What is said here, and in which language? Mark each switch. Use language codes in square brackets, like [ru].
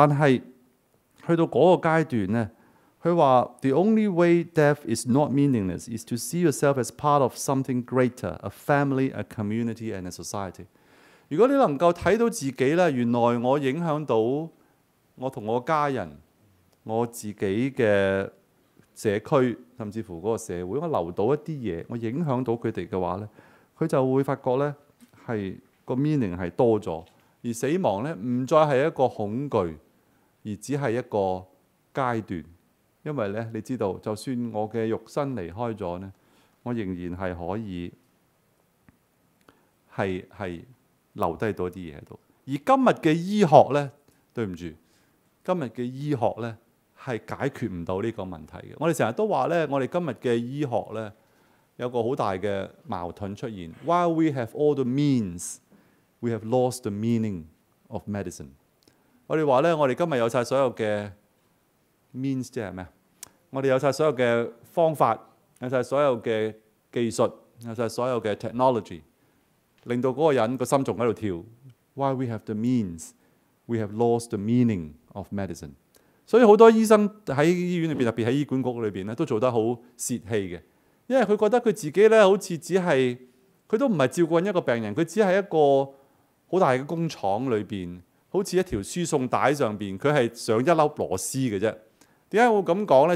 [yue] 但是去到那個階段呢，他說 [en] The only way death is not meaningless is to see yourself as part of something greater, a family, a community, and a society. [yue] 如果你能夠看到自己，原來我影響到我和我家人，我自己的社區，甚至乎那個社會，我留到一些東西，我影響到他們的話，他就會發覺是 meaning 是多了，而死亡不再是一個恐懼，而只是一個階段。因為呢，你知道，就算我的肉身離開了，我仍然是可以是留下多些東西。而今天的醫學呢，對不起，今天的醫學呢是解決不到這個問題的。我們經常都說呢，我們今天的醫學呢有個很大的矛盾出現。 [en] While we have all the means, we have lost the meaning of medicine。 [yue] 我們說呢，我們今天有所有的 means， 即是什麼？我們有所有的方法，有所有的技術，有所有的 technology， 令到那個人的心臟在跳。 [en] While we have the means, we have lost the meaning of medicine。 [yue] 所以很多醫生在醫院裏面，特別在醫管局裏面，都做得很泄氣的。因為他覺得他自己好像只是，他都不是照顧一個病人，他只是一個很大的工廠裏面，好像一條輸送帶上面，他是上一粒螺絲的。為什麼我這樣說呢？